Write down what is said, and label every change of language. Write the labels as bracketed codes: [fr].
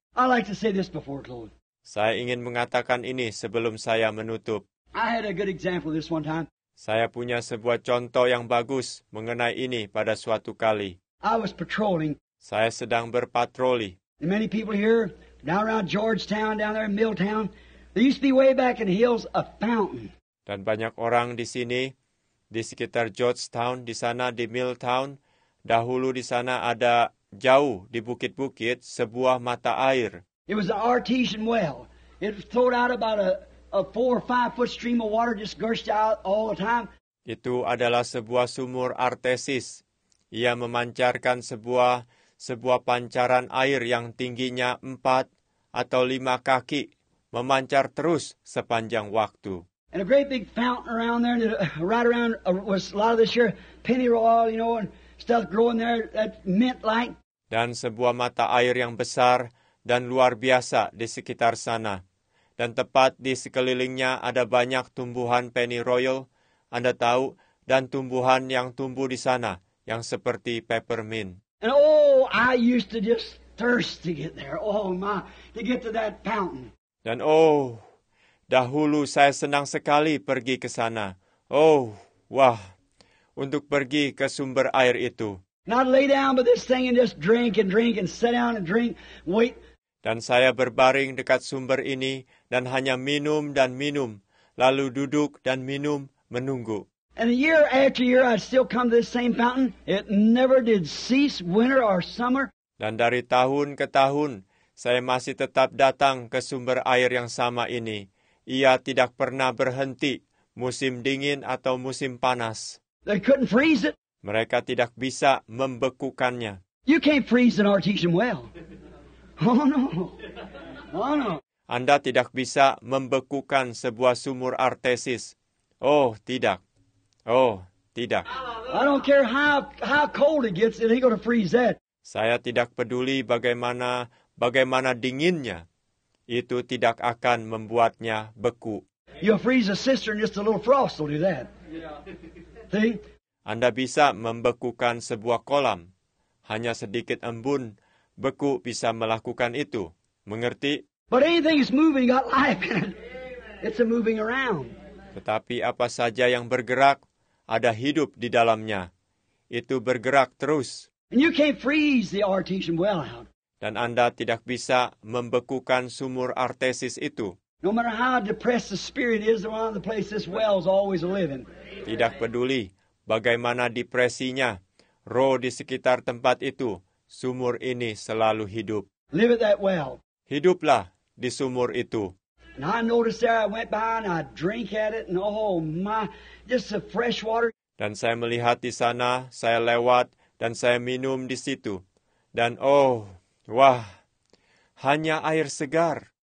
[en] I like to say this before close. [id] Saya ingin mengatakan ini sebelum saya menutup. [en] I had a good example this one time. [id] Saya punya sebuah contoh yang bagus mengenai ini pada suatu kali. [en] I was patrolling. [id] Saya sedang berpatroli. [en] And many people here, down around Georgetown, down there in Milltown, there used to be way back in the hills a fountain. [id] Dan banyak orang di sini, di sekitar Georgetown, di sana di Milltown, dahulu di sana ada jauh di bukit-bukit sebuah mata air. [en] It was an artesian well. It flowed out about a 4 or 5 foot stream of water just gushed out all the time. [id] Itu adalah sebuah sumur artesis. Ia memancarkan sebuah pancaran air yang tingginya 4 atau 5 kaki, memancar terus sepanjang waktu. [en] And a great big fountain around there, that, right around was a lot of this year pennyroyal, you know, and stuff growing there that mint like. [id] Dan sebuah mata air yang besar dan luar biasa di sekitar sana. Dan tepat di sekelilingnya ada banyak tumbuhan pennyroyal, Anda tahu, dan tumbuhan yang tumbuh di sana, yang seperti peppermint. [en] And oh, I used to just thirst to get there, oh my, to get to that fountain. [id] Dan oh, dahulu saya senang sekali pergi ke sana. Oh, wah, untuk pergi ke sumber air itu. [en] Not lay down by this thing and just drink and drink and sit down and drink. Wait. [id] Dan saya berbaring dekat sumber ini dan hanya minum dan minum, lalu duduk dan minum, menunggu. [en] And year after year I'd still come to this same fountain. It never did cease, winter or summer. [id] Dan dari tahun ke tahun, saya masih tetap datang ke sumber air yang sama ini. Ia tidak pernah berhenti, musim dingin atau musim panas. [en] They couldn't freeze it. [id] Mereka tidak bisa membekukannya. [en] You can't freeze an artesian well. Oh no. Oh no. [id] Anda tidak bisa membekukan sebuah sumur artesis. Oh, tidak. Oh, tidak. [en] I don't care how cold it gets, it ain't gonna freeze that. [id] Saya tidak peduli bagaimana dinginnya. Itu tidak akan membuatnya beku. [en] You'll freeze a cistern, just a little frost will do that. See? [id] Anda bisa membekukan sebuah kolam. Hanya sedikit embun beku bisa melakukan itu. Mengerti? [en] But anything is moving got life in it. It's a moving around. [id] Tetapi apa saja yang bergerak, ada hidup di dalamnya. Itu bergerak terus. [en] And you can't freeze the artesian well out. [id] Dan Anda tidak bisa membekukan sumur artesis itu. [en] No matter how depressed the spirit is around the place, this well is always living. [id] Tidak peduli bagaimana depresinya, roh di sekitar tempat itu, sumur ini selalu hidup. [en] Live at that well. [id] Hiduplah di sumur itu. [en] And I noticed there, I went by and I drink at it, and oh my, just the fresh water. [id] Dan saya melihat di sana, saya lewat, dan saya minum di situ. Dan oh, wah, hanya air segar.